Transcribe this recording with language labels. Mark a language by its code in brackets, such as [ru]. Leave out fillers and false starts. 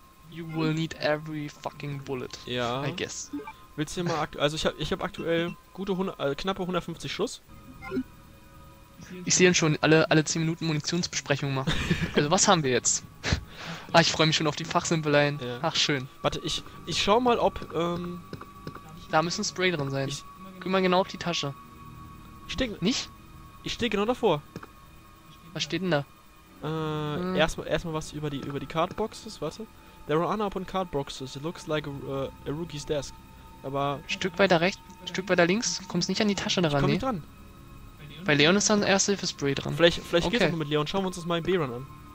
[en] You will need every fucking bullet. [de] Ja. [en] I guess. [de] Willst du mal aktuell... Also ich hab aktuell gute knappe 150 Schuss. Ich sehe schon alle 10 Minuten Munitionsbesprechung machen. Also was haben wir jetzt? Ah, ich freue mich schon auf die Fachsimpeleien. Ja. Ach schön. Warte, ich schau mal ob... Da müssen Spray drin sein. Guck mal genau auf die Tasche. Ich stehe genau davor. Was steht denn da? Erstmal was über die Cardboxes, warte. [en] There are unopened cardboxes. It looks like a rookie's desk. [de] Aber. Stück weiter rechts, Stück weiter links, kommst nicht an die Tasche daran. Ich komm nicht dran. Bei Leon ist dann Erste-Hilfe-Spray dran. Vielleicht okay. Geht's auch mit Leon. Schauen wir uns das mal im B-Run an.